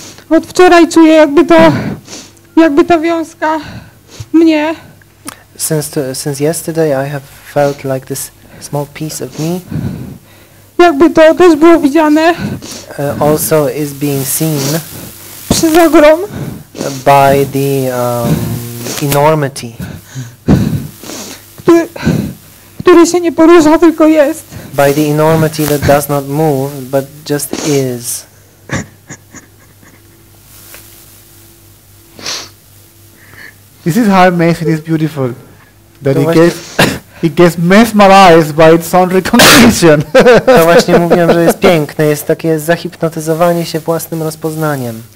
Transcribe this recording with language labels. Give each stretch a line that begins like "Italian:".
Polish: Od wczoraj czuję, jakby ta wiązka mnie.
English: Since yesterday I have felt like this small piece of me.
Polish: Jakby to też było widziane.
English: Also is being seen.
Polish: Przez ogrom.
English: By the enormity.
Polish: Który się nie porusza, tylko jest.
English: By the enormity that does not move, but just is. This is how amazing, it's beautiful. That it gets mesmerized by its own recognition.
Polish: To właśnie mówiłem, że jest piękne, jest takie zahipnotyzowanie się własnym rozpoznaniem.